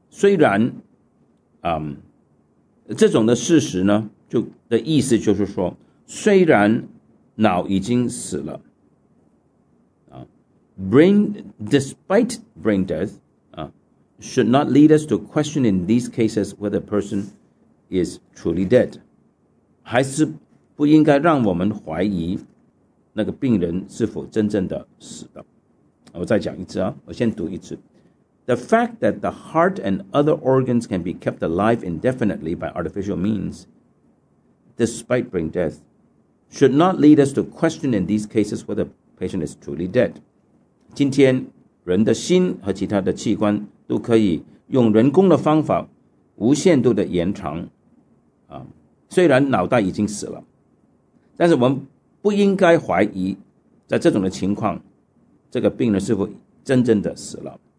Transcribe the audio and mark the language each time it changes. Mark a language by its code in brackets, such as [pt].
[zh] 虽然这种的事实呢就的意思就是说，虽然脑已经死了 [en] despite brain death should not lead us to question in these cases whether a person is truly dead， [zh] 还是不应该让我们怀疑那个病人是否真正的死的。我再讲一次我先读一次。 [en] The fact that the heart and other organs can be kept alive indefinitely by artificial means, despite brain death, should not lead us to question in these cases whether the patient is truly dead. [zh] 今天人的心和其他的器官都可以用人工的方法无限度的延长，虽然脑袋已经死了，但是我们不应该怀疑在这种的情况这个病人是否真正的死了。